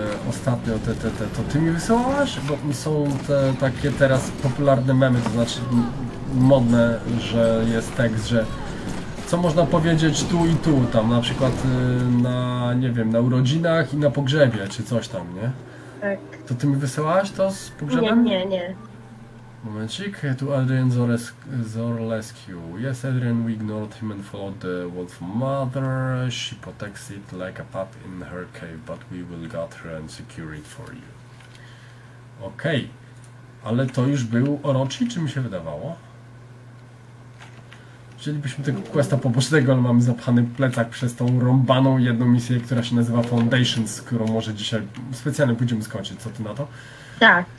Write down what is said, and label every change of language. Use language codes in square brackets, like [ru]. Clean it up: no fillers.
[pl] ostatnio to ty mi wysyłałaś? Bo są te takie teraz popularne memy, to znaczy modne, że jest tekst, że... Co można powiedzieć tu i tu, tam na przykład na, nie wiem, na urodzinach i na pogrzebie, czy coś tam, nie? Tak. To ty mi wysyłałaś to z pogrzebem? Nie. Momencik, tu Adrian Zorlescu. [en] Yes, Adrian, we ignored him and followed the wolf mother. She protects it like a pup in her cave, but we will got her and secure it for you. [pl] Okej, okay. Ale to już był Orochi, czy mi się wydawało? Chcielibyśmy tego questa pobocznego, ale mamy zapchany plecak przez tą rąbaną jedną misję, która się nazywa Foundations, którą może dzisiaj specjalnie pójdziemy skończyć. Co ty na to? Tak.